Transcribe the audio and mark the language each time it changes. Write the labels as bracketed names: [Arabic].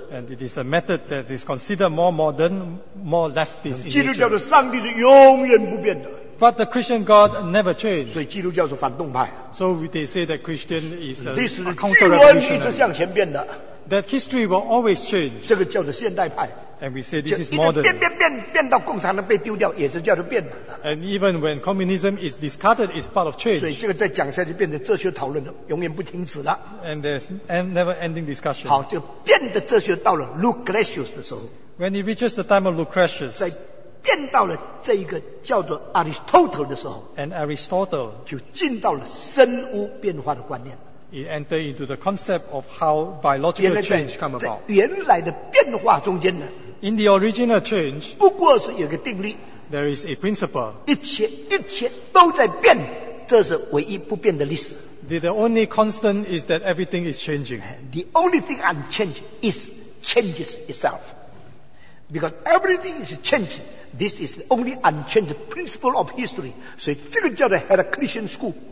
[English] And it is a method that is considered more modern, more leftist in nature. [Chinese] 基督教的上帝是永远不变的。 [English] But the Christian God never changed. [Chinese] 所以基督教是反动派。 [English] So they say that Christian is a counter-revolutionary. That history will always change. [Chinese] 这个叫做现代派。 [English] And we say this is modern. [Chinese] 变到共产党被丢掉也是叫做变嘛。 [English] And even when communism is discarded, it's part of change. [Chinese] 所以这个再讲下去变成哲学讨论了，永远不停止了。 [English] And there's never-ending discussion. [Chinese] 好，这个变的哲学到了 Lucretius的时候。 [English] When it reaches the time of Lucretius. [Chinese] 变到了这一个叫做 Aristotle 的时候 [English] ，and Aristotle [Chinese] 就进到了生物变化的观念 [English] ，it entered into the concept of how biological change come about。 [Chinese] 原来的变化中间呢 [English] ，in the original change， [Chinese] 不过是有个定律 [English] ，there is a principle， [Chinese] 一切都在变。这是唯一不变的历史。 [English] The only constant is that everything is changing。 The only thing unchanged is changes itself。 Because everything is changing, this is the only unchanged principle of history. [Chinese] 所以这个叫做 Heraclitian school.